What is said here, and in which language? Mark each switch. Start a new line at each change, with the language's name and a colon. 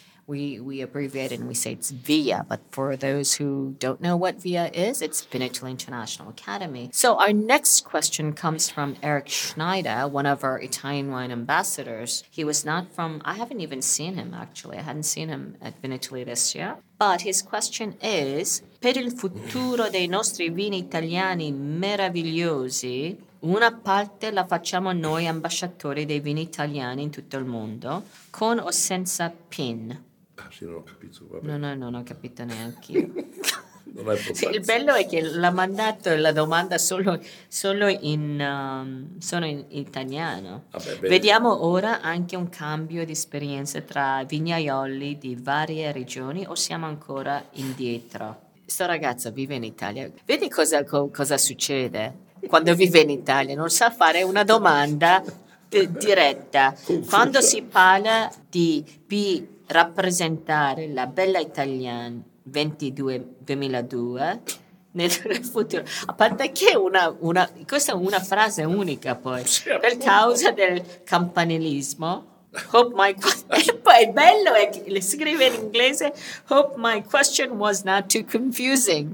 English: We abbreviate it and we say it's VIA, but for those who don't know what VIA is, it's Vinitaly International Academy. So our next question comes from Erik Schneider, one of our Italian wine ambassadors. He was not from, I haven't even seen him actually. I hadn't seen him at Vinitaly this year. But his question is,
Italian: per il futuro dei nostri vini italiani meravigliosi, una parte la facciamo noi ambasciatori dei vini italiani in tutto il mondo, con o senza PIN? Sì, non ho capito. Vabbè. No, non ho capito neanche io. Non è importante. Il bello è che l'ha mandato la domanda solo in italiano. Vabbè, vediamo ora anche un cambio di esperienza tra vignaioli di varie regioni o siamo ancora indietro? Questo ragazzo vive in Italia. Vedi cosa succede quando vive in Italia? Non sa fare una domanda diretta. Quando si parla di rappresentare la bella italiana 2002 nel futuro, a parte che questa è una frase unica, poi per causa del campanilismo.
English: Hope my
Italian: poi il bello è che le scrive in inglese.
English: Hope my question was not too confusing.